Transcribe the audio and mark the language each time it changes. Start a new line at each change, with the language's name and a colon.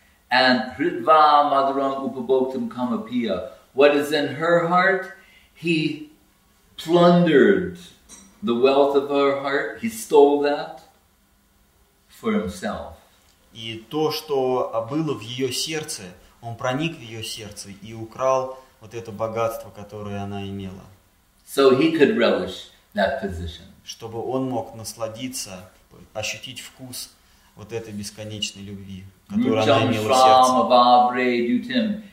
English: And
Sanskrit: Hridva Madhuram Upaboktam Kamapiya,
English: what is in her heart, he plundered the wealth of her heart, he stole that for himself.
Russian: И то, что было в ее сердце, он проник в ее сердце и украл вот это богатство, которое она имела.
English: So he could relish that position.
Russian: Чтобы он мог насладиться, ощутить вкус вот этой бесконечной любви, которую она имела в сердце.